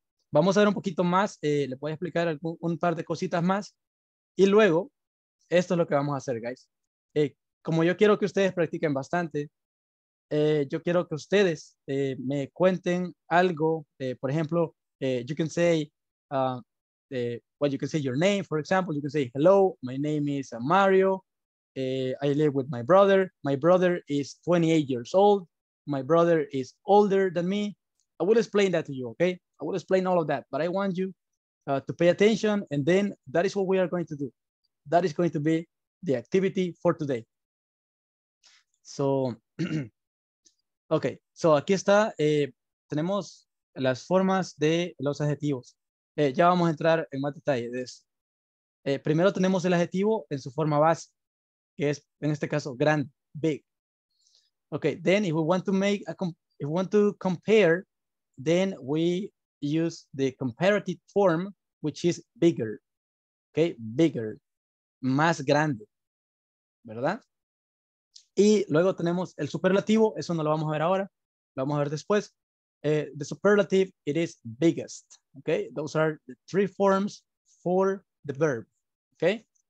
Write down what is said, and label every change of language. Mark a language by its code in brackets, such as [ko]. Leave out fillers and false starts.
[es] Vamos a ver un poquito más. Le voy a explicar un par de cositas más. Y luego, esto es lo que vamos a hacer, guys. Como yo quiero que ustedes practiquen bastante, yo quiero que ustedes me cuenten algo. Por ejemplo, [en] you can say, well, you can say your name, for example. You can say, hello, my name is Mario. I live with my brother. My brother is 28 years old. My brother is older than me. I will explain that to you, okay? I will explain all of that, but I want you to pay attention, and then that is what we are going to do. That is going to be the activity for today. [es] So, okay, so aquí está, tenemos las formas de los adjetivos. Ya vamos a entrar en más detalle de eso. Primero tenemos el adjetivo en su forma base, que es, en este caso, grande, big. [en] Okay, then if we want to make, if we want to compare, then we use the comparative form, which is bigger. [es] Okay, bigger, más grande, ¿verdad? Y luego tenemos el superlativo, eso no lo vamos a ver ahora, lo vamos a ver después. [en] The superlative, it is biggest, okay? Those are the three forms for the verb, okay?